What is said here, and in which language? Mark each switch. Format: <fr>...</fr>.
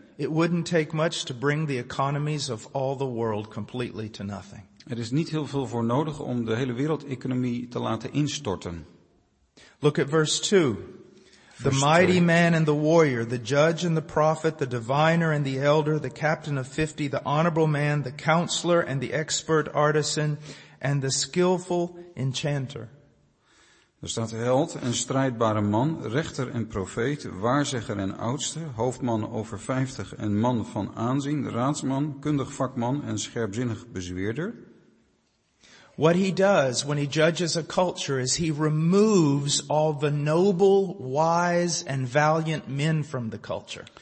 <en>It wouldn't take much to bring the economies of all the world completely to nothing.</en> <nl>Er is niet heel veel voor nodig om de hele wereldeconomie te laten instorten.</nl> <en>Look at verse 2. The mighty man and the warrior, the judge and the prophet, the diviner and the elder, the captain of 50, the honorable man, the counselor and the expert artisan, and the skillful enchanter.</en> <nl>Er staat held en strijdbare man, rechter en profeet, waarzegger en oudste, hoofdman over 50 en man van aanzien, raadsman, kundig vakman en scherpzinnig bezweerder.</nl> <en>What he does when he judges a culture is he removes all the noble, wise, and valiant men from the culture.</en>